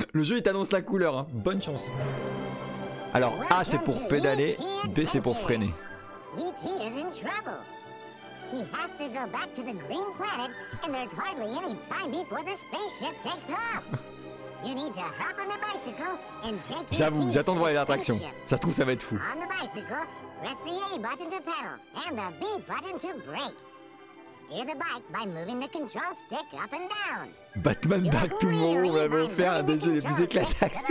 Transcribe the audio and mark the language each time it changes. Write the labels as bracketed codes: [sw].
[fr] Le jeu, il t'annonce la couleur. Hein. Bonne chance. Alors, A, c'est pour pédaler. B, c'est pour freiner. [en] E.T. is in trouble. He has to go back to the green planet and there's hardly any time before the spaceship takes off. You need to hop on the bicycle and take. [fr] J'avoue, j'attends de voir l'attraction. Ça se trouve, ça va être fou. [en] On the bicycle, press the A button to pedal and the B button to brake. Steer the bike by moving the control stick up and down. [fr] Batman Back to Tomorrow, on va me faire un des jeux les plus éclatants.